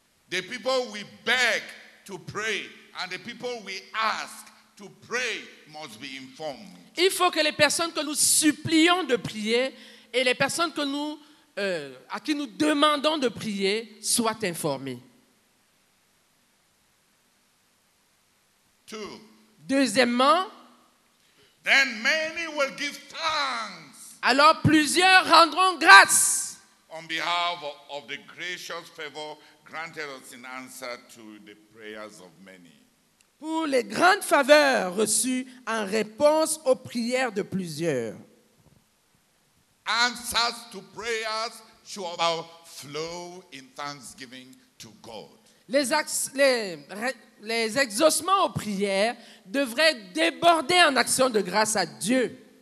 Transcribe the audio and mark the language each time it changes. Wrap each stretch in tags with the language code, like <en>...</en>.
<en>The people we beg to pray and the people we ask to pray must be informed.</en> <fr>Il faut que les personnes que nous supplions de prier et les personnes que nous à qui nous demandons de prier soient informées.</fr> <en>Two.</en> <fr>Deuxièmement,</fr> <en>then many will give thanks.</en> <fr>Alors plusieurs rendront grâce.</fr> <en>On behalf of the gracious favor granted us in answer to the prayers of many.</en> <fr>Pour les grandes faveurs reçues en réponse aux prières de plusieurs.</fr> <en>Answers to prayers should flow in thanksgiving to God.</en> <fr>Les exaucements aux prières devraient déborder en action de grâce à Dieu.</fr>